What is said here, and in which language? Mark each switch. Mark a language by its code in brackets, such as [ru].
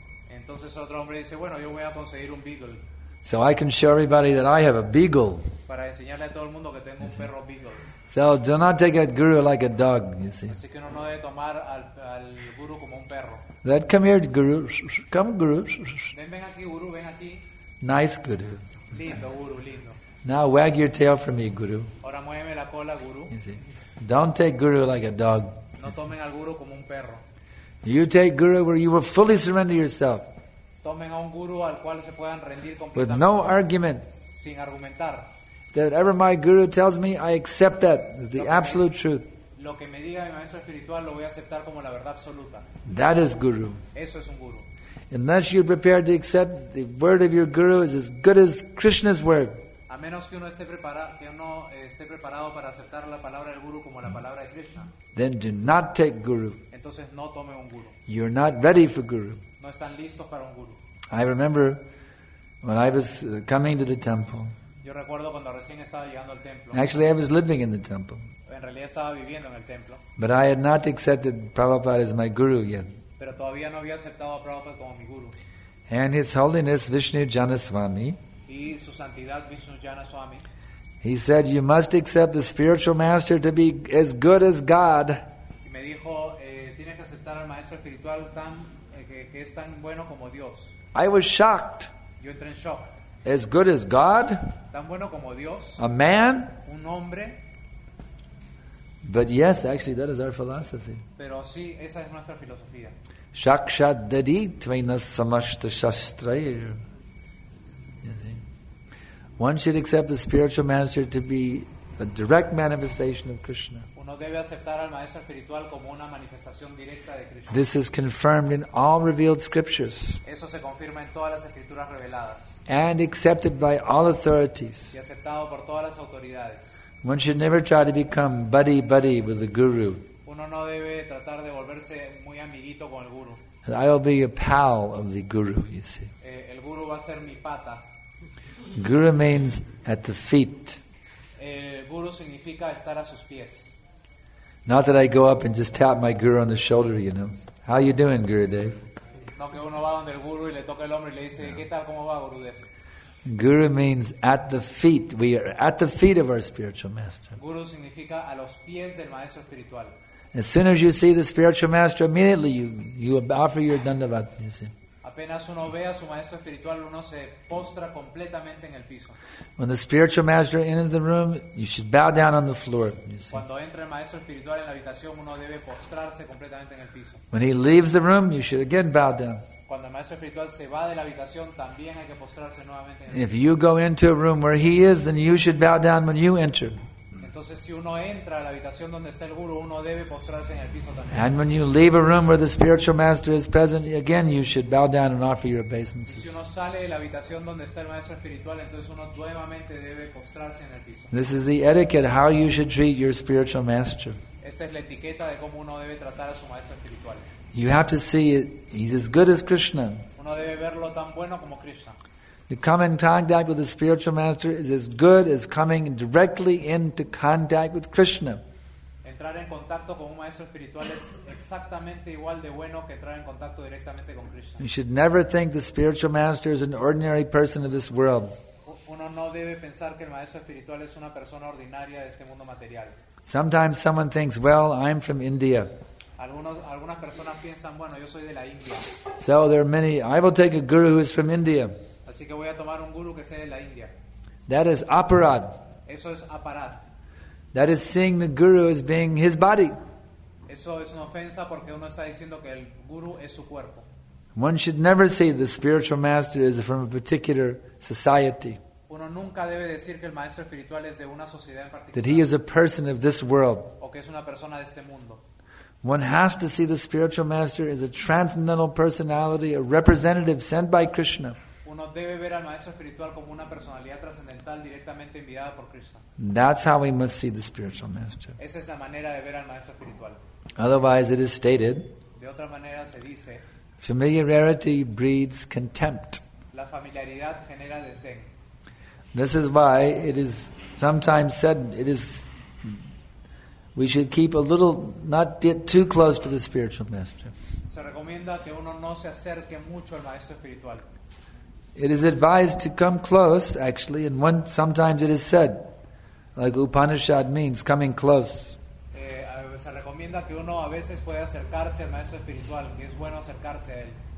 [es] Entonces otro hombre dice, bueno, yo voy a conseguir un beagle. [en] So I can show everybody that I have a beagle. [es] Para enseñarle a todo el mundo que tengo un perro beagle. [en] So do not take a guru like a dog, you see. [es] Así que uno no debe tomar al guru como un perro. [en] That, come here, guru. Come, guru. [es] Ven aquí, guru, ven aquí. [en] Nice guru. [es] Lindo, guru, lindo. [en] Now wag your tail for me, guru. [es] Ahora muéveme la cola, guru. [en] You see. Don't take guru like a dog. [es] No tomen al guru como un perro. [en] You take guru where you will fully surrender yourself. [es] Tomen a un guru al cual se puedan rendir completamente. [en] With no argument. [es] Sin argumentar. [en] That whatever my guru tells me, I accept that as the absolute truth. [es] Lo que me diga mi maestro espiritual lo voy a aceptar como la verdad absoluta. [en] That is guru. [es] Eso es un guru. [en] Unless you're prepared to accept the word of your guru is as good as Krishna's word. [es] A menos que uno esté preparado para aceptar la palabra del guru como la palabra de Krishna. [en] Then do not take guru. [es] Entonces no tome un guru. [en] You're not ready for guru. [es] No están listos para un guru. [en] I remember when I was coming to the temple. [es] Yo recuerdo cuando recién estaba llegando al templo. [en] Actually, I was living in the temple. [es] En realidad estaba viviendo en el templo. [en] But I had not accepted Prabhupada as my guru yet. [es] Pero todavía no había aceptado a Prabhupada como mi guru. [en] And His Holiness Vishnu Janaswami. [es] Y su santidad Vishnu Janaswami. [en] He said, "You must accept the spiritual master to be as good as God." [es] Y me dijo, tienes que aceptar aceptar al maestro espiritual tan que es tan bueno como Dios. [en] I was shocked. [es] Yo entré en shock. [en] As good as God? [es] Tan bueno como Dios. [en] A man? [es] Un hombre. [en] But yes, actually, that is our philosophy. Pero sí, esa es nuestra filosofía. [sa] Shakshat dadi tvaina samashta shastrair. [en] One should accept the spiritual master to be a direct manifestation of Krishna. [es] Uno debe aceptar al maestro espiritual como una manifestación directa de Krishna. [en] This is confirmed in all revealed scriptures. [es] Eso se confirma en todas las escrituras reveladas. [en] And accepted by all authorities. [es] Y aceptado por todas las autoridades. [en] One should never try to become buddy buddy with the guru. [es] Uno no debe tratar de volverse muy amiguito con el guru. [en] I will be a pal of the guru, you see. [es] El guru va a ser mi pata. [en] Guru means at the feet. [es] El guru significa estar a sus pies. [en] Not that I go up and just tap my guru on the shoulder, you know. How are you doing, Gurudev? [es] No, que uno va donde el guru y le toca el hombro y le dice, ¿qué tal, cómo va, Gurudev? [en] Guru means at the feet. We are at the feet of our spiritual master. [es] Guru significa a los pies del maestro espiritual. [en] As soon as you see the spiritual master, immediately you offer your dandavat. You see. [es] Apenas uno ve a su maestro espiritual, uno se postra completamente en el piso. [en] When the spiritual master enters the room, you should bow down on the floor. You see. [es] Cuando entra el maestro espiritual en la habitación, uno debe postrarse completamente en el piso. [en] When he leaves the room, you should again bow down. [es] Cuando el maestro espiritual se va de la habitación, también hay que postrarse nuevamente. [en] If you go into a room where he is, then you should bow down when you enter. [es] Entonces, si uno entra a la habitación donde está el guru, uno debe postrarse en el piso también. [en] And when you leave a room where the spiritual master is present, again you should bow down and offer your obeisances. [es] Si uno sale de la habitación donde está el maestro espiritual, entonces uno nuevamente debe postrarse en el piso. [en] This is the etiquette how you should treat your spiritual master. [es] Esta es la etiqueta de cómo uno debe tratar a su maestro espiritual. [en] You have to see it. He's as good as Krishna. [es] Uno debe verlo tan bueno como Krishna. [en] To come in contact with the spiritual master is as good as coming directly into contact with Krishna. [es] Entrar en contacto con un maestro espiritual es exactamente igual de bueno que entrar en contacto directamente con Krishna. [en] You should never think the spiritual master is an ordinary person of this world. [es] Uno no debe pensar que el maestro espiritual es una persona ordinaria de este mundo material. [en] Sometimes someone thinks, well, I'm from India. [es] Algunas personas piensan, bueno, yo soy de la India. [en] So there are many. I will take a guru who is from India. [es] Así que voy a tomar un guru que sea de la India. [en] That is aparad. [es] Eso es aparad. [en] That is seeing the guru as being his body. [es] Eso es una ofensa porque uno está diciendo que el guru es su cuerpo. [en] One should never see the spiritual master is from a particular society. [es] Uno nunca debe decir que el maestro espiritual es de una sociedad en particular. [en] That he is a person of this world. [es] O que es una persona de este mundo. [en] One has to see the spiritual master as a transcendental personality, a representative sent by Krishna. [es] Uno debe ver al maestro espiritual como una personalidad trascendental directamente enviada por Krishna. [en] That's how we must see the spiritual master. [es] Esa es la manera de ver al maestro espiritual. [en] Otherwise, it is stated. [es] De otra manera se dice. [en] Familiarity breeds contempt. [es] La familiaridad genera desdén. [en] This is why it is sometimes said it is. We should keep a little, not get too close to the spiritual master. [es] Se recomienda que uno no se acerque mucho al maestro espiritual. [en] It is advised to come close, actually, and one sometimes it is said, like Upanishad means, coming close. [es] Se recomienda que uno a veces puede acercarse al maestro espiritual, que es bueno acercarse a él.